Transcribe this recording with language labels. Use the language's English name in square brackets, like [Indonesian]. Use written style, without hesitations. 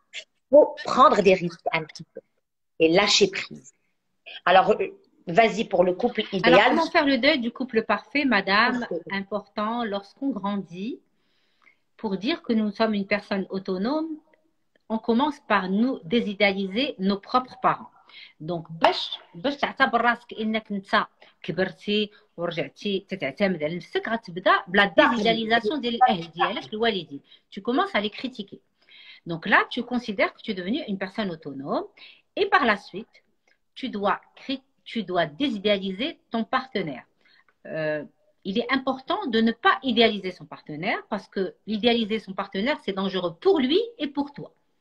[French] Il faut prendre des risques un petit peu et lâcher prise. Alors, vas-y pour le couple Alors, idéal. comment faire le deuil du couple parfait, madame? Parfait. Important, lorsqu'on grandit, pour dire que nous sommes une personne autonome, on commence par nous désidéaliser nos propres parents. [Arabic] Donc, باش تعتبر راسك انك انت كبرتي ورجعتي تعتمد على نفسك غتبدا بلا désidéalisation ديال الاهل ديالك الوالدين. [French] Tu commences à les critiquer. Donc là, tu considères que tu es devenue une personne autonome et par la suite, tu dois critiquer. Tu dois désidéaliser ton partenaire. Il est important de ne pas idéaliser son partenaire parce que idéaliser son partenaire, c'est dangereux pour lui et pour toi.